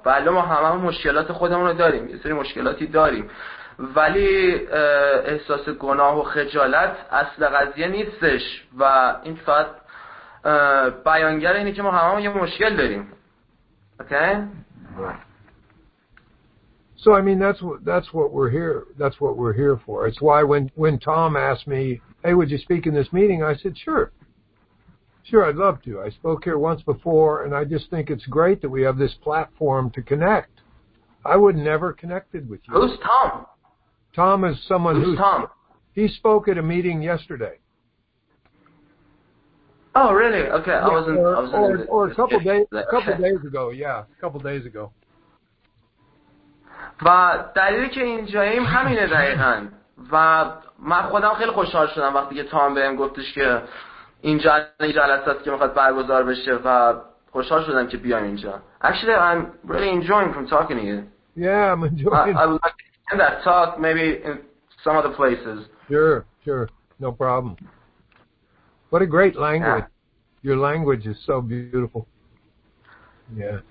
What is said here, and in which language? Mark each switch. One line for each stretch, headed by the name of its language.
Persian: بله، ما همه هم مشکلات خودمون رو داریم، یه سری مشکلاتی داریم، ولی احساس گناه و خجالت اصل قضیه نیستش و این فقط بیانگر اینه که ما همه هم یه مشکل داریم. اوکی؟
English: So I mean that's what we're here for. It's why when Tom asked me, "Hey, would you speak in this meeting?" I said, "Sure. Sure, I'd love to. I spoke here once before and I just think it's great that we have this platform to connect. I would never connected with you." Who's Tom? Tom is someone who's Tom. He spoke at a meeting yesterday. Oh, really? Okay. Yeah, I was a couple days ago. Yeah, a couple days ago.
Persian: و دلیلی که اینجاییم همینه دقیقاً. و من خودم خیلی خوشحال شدم وقتی که تام بهم گفتش که اینجا این جلسه است که میخواد برگزار بشه و خوشحال شدم که بیام اینجا.
English: Actually I'm really enjoying from talking to you. Yeah, I'm enjoying. I would like to attend that talk maybe in some other places. Sure, no problem. What a great language. Yeah. Your language is so beautiful. Yeah.